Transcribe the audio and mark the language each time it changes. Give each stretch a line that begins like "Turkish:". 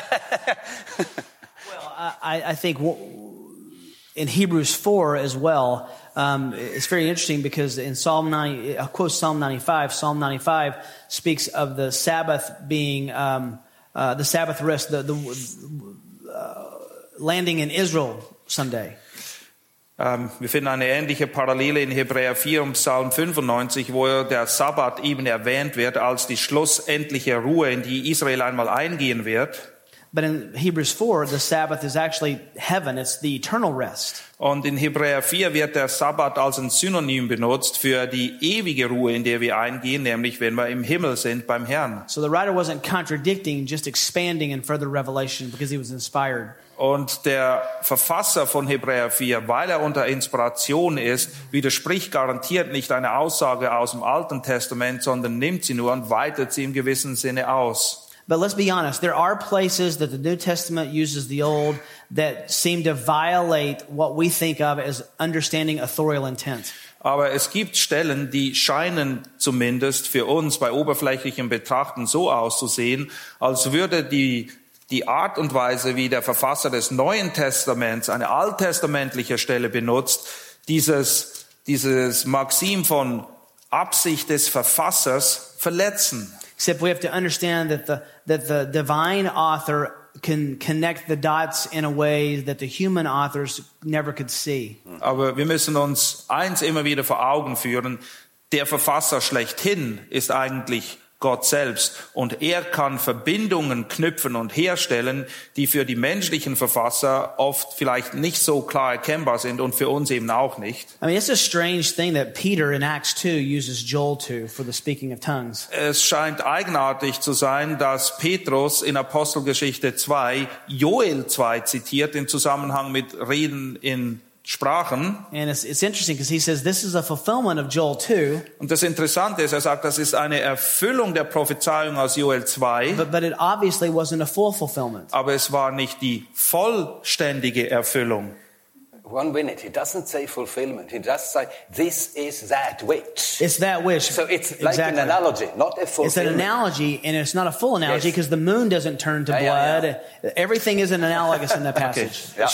English: Well, I think in Hebrews 4 as well, it's very interesting because in Psalm 90, I quote Psalm 95, Psalm 95 speaks of the Sabbath being the Sabbath rest, the landing in Israel someday.
German: Wir finden eine ähnliche Parallele in Hebräer 4 und Psalm 95, wo der Sabbat eben erwähnt wird als die schlussendliche Ruhe, in die Israel einmal eingehen wird.
English: But in Hebrews 4, the Sabbath is actually heaven. It's the eternal rest.
German: Und in Hebräer 4 wird der Sabbat als ein Synonym benutzt für die ewige Ruhe, in der wir eingehen, nämlich wenn wir im Himmel sind beim Herrn.
English: So the writer wasn't contradicting, just expanding in further revelation because he was inspired.
German: Und der Verfasser von Hebräer 4, weil er unter Inspiration ist, widerspricht garantiert nicht eine Aussage aus dem Alten Testament, sondern nimmt sie nur und weitet sie im gewissen Sinne aus.
English: But let's be honest, there are places that the New Testament uses the old that seem to violate what we think of as understanding authorial intent.
German: Aber es gibt Stellen, die scheinen zumindest für uns bei oberflächlichem Betrachten so auszusehen, als würde die Art und Weise, wie der Verfasser des Neuen Testaments eine alttestamentliche Stelle benutzt, dieses Maxim von Absicht des Verfassers verletzen.
English: Except we have to understand that the divine author can connect the dots in a way that the human authors never could see.
German: Aber wir müssen uns eins immer wieder vor Augen führen, der Verfasser schlechthin ist eigentlich Gott selbst und er kann Verbindungen knüpfen und herstellen, die für die menschlichen Verfasser oft vielleicht nicht so klar erkennbar sind und für uns eben auch nicht.
English: I mean, it's a strange thing that Peter in Acts 2 uses Joel 2 for the speaking of tongues.
German: Es scheint eigenartig zu sein, dass Petrus in Apostelgeschichte 2 Joel 2 zitiert in Zusammenhang mit Reden in Sprachen.
English: And it's interesting because he says this is a fulfillment of Joel 2.
German: Und das Interessante ist, er sagt, das ist eine Erfüllung der Prophezeiung aus Joel 2.
English: But it obviously wasn't a full fulfillment.
German: Aber es war nicht die vollständige Erfüllung.
English: One minute, he doesn't say fulfillment. He just say this is that which. It's that which. So it's like exactly. An analogy, not a fulfillment. It's an analogy, and it's not a full analogy because yes. The moon doesn't turn to blood. Yeah. Everything isn't analogous in that passage.